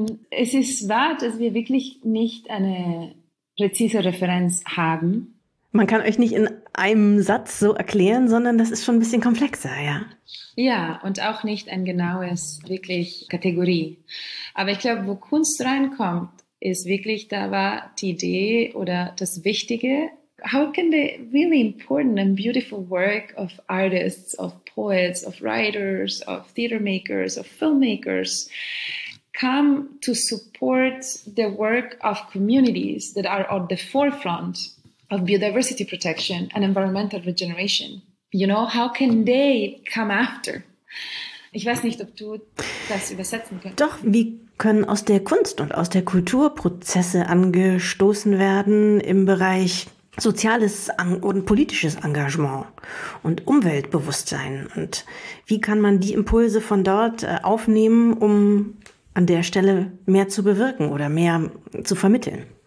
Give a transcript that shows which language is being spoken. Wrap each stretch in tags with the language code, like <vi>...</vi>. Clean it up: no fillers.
<de>Es ist wahr, dass wir wirklich nicht eine präzise Referenz haben. Man kann euch nicht in einem Satz so erklären, sondern das ist schon ein bisschen komplexer, ja. Ja, und auch nicht ein genaues, wirklich Kategorie. Aber ich glaube, wo Kunst reinkommt, ist wirklich, da war die Idee oder das Wichtige.</de> <en>How can the really important and beautiful work of artists, of poets, of writers, of theater makers, of filmmakers come to support the work of communities that are on the forefront of biodiversity protection and environmental regeneration? You know, how can they come after?</en> <de>Ich weiß nicht, ob du das übersetzen kannst. Doch, wie können aus der Kunst und aus der Kultur Prozesse angestoßen werden im Bereich soziales und politisches Engagement und Umweltbewusstsein? Und wie kann man die Impulse von dort aufnehmen, um an der Stelle mehr zu bewirken oder mehr zu vermitteln?</de>